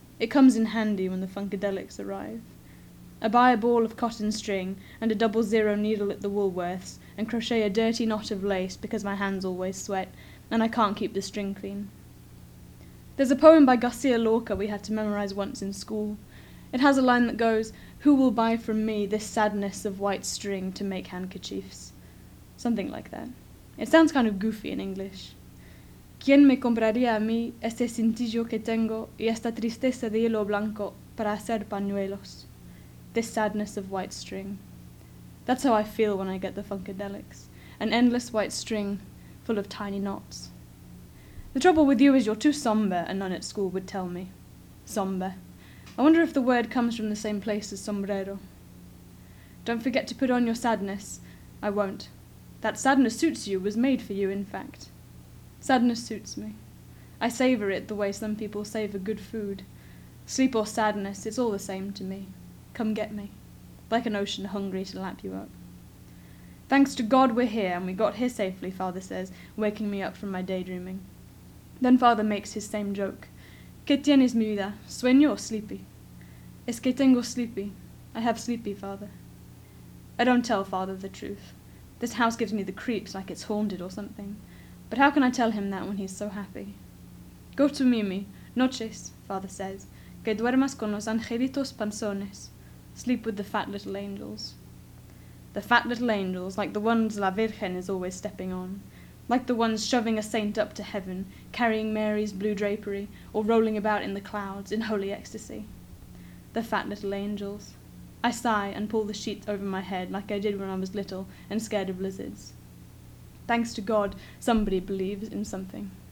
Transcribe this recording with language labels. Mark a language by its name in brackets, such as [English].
[English] It comes in handy when the funkadelics arrive. I buy a ball of cotton string and a 00 needle at the Woolworths, and crochet a dirty knot of lace because my hands always sweat, and I can't keep the string clean. There's a poem by Garcia Lorca we had to memorize once in school. It has a line that goes, "Who will buy from me this sadness of white string to make handkerchiefs?" Something like that. It sounds kind of goofy in English. [Spanish] ¿Quién me compraría a mí este cintillo que tengo y esta tristeza de hilo blanco para hacer pañuelos? [English] This sadness of white string. That's how I feel when I get the funkadelics. An endless white string full of tiny knots. The trouble with you is you're too somber, a nun at school would tell me. Somber. I wonder if the word comes from the same place as sombrero. Don't forget to put on your sadness. I won't. That sadness suits you, was made for you, in fact. Sadness suits me. I savour it the way some people savour good food. Sleep or sadness, it's all the same to me. Come get me, like an ocean hungry to lap you up. Thanks to God we're here, and we got here safely, Father says, waking me up from my daydreaming. Then Father makes his same joke. [Spanish] ¿Qué tienes, mi vida? ¿Sueño o sleepy? Es que tengo sleepy. [English] I have sleepy, Father. I don't tell Father the truth. This house gives me the creeps like it's haunted or something. But how can I tell him that when he's so happy? Go to Mimi. Noches, Father says. [Spanish] Que duermas con los angelitos panzones. [English] Sleep with the fat little angels. The fat little angels, like the ones La Virgen is always stepping on. Like the ones shoving a saint up to heaven, carrying Mary's blue drapery, or rolling about in the clouds in holy ecstasy. The fat little angels. I sigh and pull the sheets over my head like I did when I was little and scared of lizards. Thanks to God, somebody believes in something.